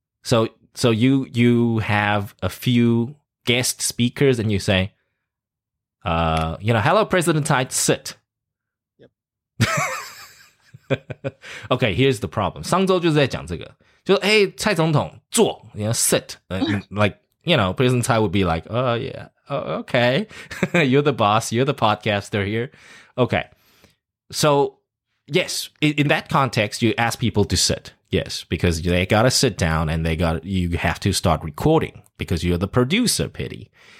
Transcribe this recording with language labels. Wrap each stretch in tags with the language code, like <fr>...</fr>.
<en>So you have a few guest speakers and you say, you know, hello, President Tai, sit. Yep. Okay, here's the problem.</en> <zh>上周就是在讲这个, 就说, 蔡总统,坐,</zh> <en>you know, sit. Like, you know, President Tai would be like, oh, yeah. Oh, okay, you're the boss, you're the podcaster here. Okay, so yes, in that context, you ask people to sit. Yes, because they got to sit down and you have to start recording because you're the producer, Pity.</en>